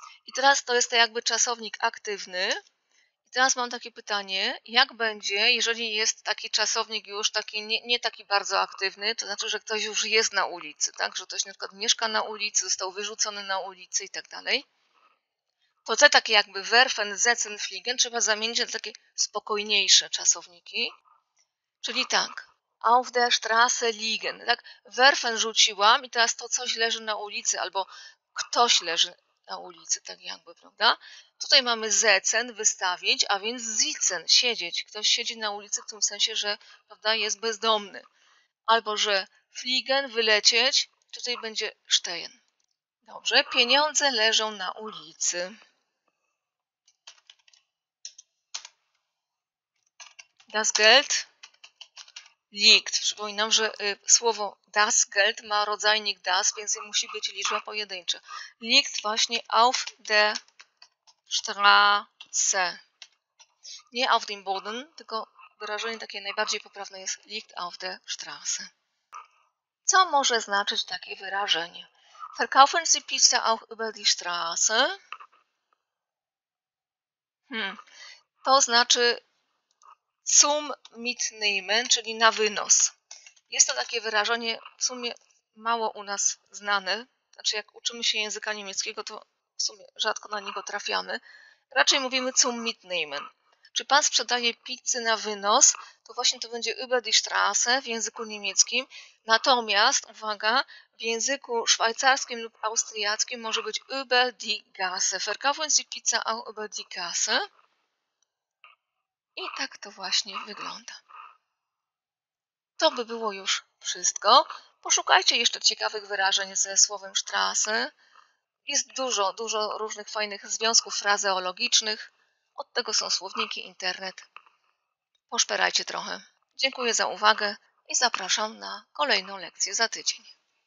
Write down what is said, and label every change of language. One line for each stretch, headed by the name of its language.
Polish: I teraz to jest to jakby czasownik aktywny. I teraz mam takie pytanie, jak będzie, jeżeli jest taki czasownik już taki nie taki bardzo aktywny, to znaczy, że ktoś już jest na ulicy, tak? Że ktoś na przykład mieszka na ulicy, został wyrzucony na ulicy i tak dalej. To te takie jakby werfen, setzen, fliegen trzeba zamienić na takie spokojniejsze czasowniki. Czyli tak,
German: auf der Straße liegen.
Polish: Tak, werfen rzuciłam i teraz to coś leży na ulicy, albo ktoś leży na ulicy, tak jakby, prawda? Tutaj mamy setzen, wystawić, a więc sitzen, siedzieć. Ktoś siedzi na ulicy w tym sensie, że prawda, jest bezdomny. Albo że fliegen, wylecieć, tutaj będzie stehen. Dobrze, pieniądze leżą na ulicy.
German: Das Geld liegt.
Polish: Przypominam, że słowo das Geld ma rodzajnik das, więc musi być liczba pojedyncza.
German: Liegt
Polish: właśnie
German: auf der Straße.
Polish: Nie
German: auf dem Boden,
Polish: tylko wyrażenie takie najbardziej poprawne jest
German: liegt auf der Straße.
Polish: Co może znaczyć takie wyrażenie?
German: Verkaufen Sie Pizza auch über die Straße?
Polish: To znaczy
German: zum Mitnehmen,
Polish: czyli na wynos. Jest to takie wyrażenie w sumie mało u nas znane. Znaczy jak uczymy się języka niemieckiego, to w sumie rzadko na niego trafiamy. Raczej mówimy
German: zum Mitnehmen.
Polish: Czy pan sprzedaje pizzy na wynos, to właśnie to będzie
German: über die Straße
Polish: w języku niemieckim. Natomiast, uwaga, w języku szwajcarskim lub austriackim może być über die Gasse.
German: Verkaufen Sie Pizza auch über die Gasse?
Polish: I tak to właśnie wygląda. To by było już wszystko. Poszukajcie jeszcze ciekawych wyrażeń ze słowem Straße. Jest dużo, dużo różnych fajnych związków frazeologicznych. Od tego są słowniki, internet. Poszperajcie trochę. Dziękuję za uwagę i zapraszam na kolejną lekcję za tydzień.